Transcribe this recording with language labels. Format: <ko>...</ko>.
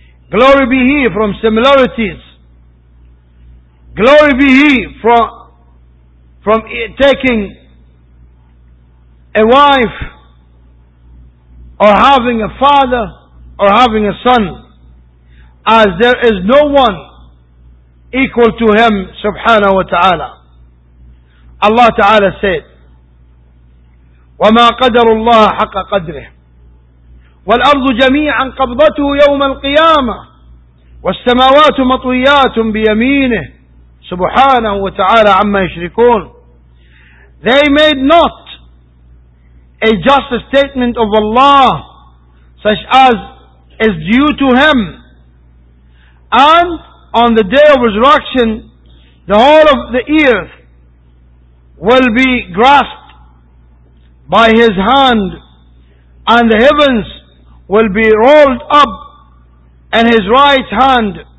<en>Glory be He from similarities. Glory be He from taking a wife, or having a father, or having a son, as there is no one equal to Him, subhanahu wa ta'ala. Allah Ta'ala said,</en> <ar>وَمَا قَدَرُ اللَّهَ حَقَّ قَدْرِهِ والأرض جميعا قبضته يوم القيامة والسماوات مطويات بيمينه سبحانه وتعالى عما يشركون.</ar> <en>They made not a just statement of Allah, such as is due to him. And on the day of resurrection, the whole of the earth will be grasped by his hand, and the heavens will be rolled up in his right hand.</en>